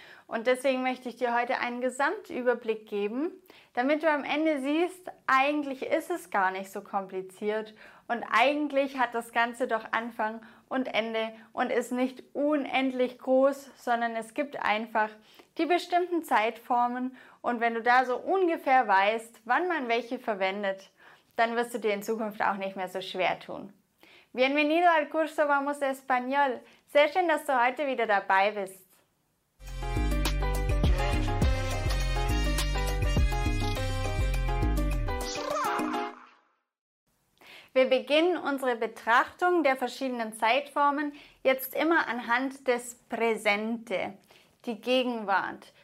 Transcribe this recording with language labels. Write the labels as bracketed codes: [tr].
[de] Und deswegen möchte ich dir heute einen Gesamtüberblick geben, damit du am Ende siehst, eigentlich ist es gar nicht so kompliziert und eigentlich hat das Ganze doch Anfang und Ende und ist nicht unendlich groß, sondern es gibt einfach die bestimmten Zeitformen und wenn du da so ungefähr weißt, wann man welche verwendet, dann wirst du dir in Zukunft auch nicht mehr so schwer tun. [es] Bienvenido al curso Vamos Español. [de] Sehr schön, dass du heute wieder dabei bist. Wir beginnen unsere Betrachtung der verschiedenen Zeitformen jetzt immer anhand des Präsente, die Gegenwart.